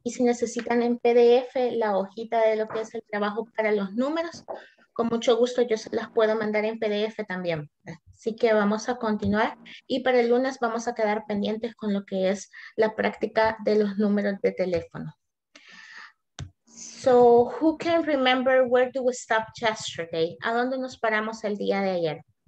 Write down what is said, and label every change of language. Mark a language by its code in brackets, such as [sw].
[es] Y si necesitan en PDF la hojita de lo que es el trabajo para los números, con mucho gusto yo se las puedo mandar en PDF también. Así que vamos a continuar. Y para el lunes vamos a quedar pendientes con lo que es la práctica de los números de teléfono. [en] So, who can remember where do we stop yesterday? [es] ¿A dónde nos paramos el día de ayer?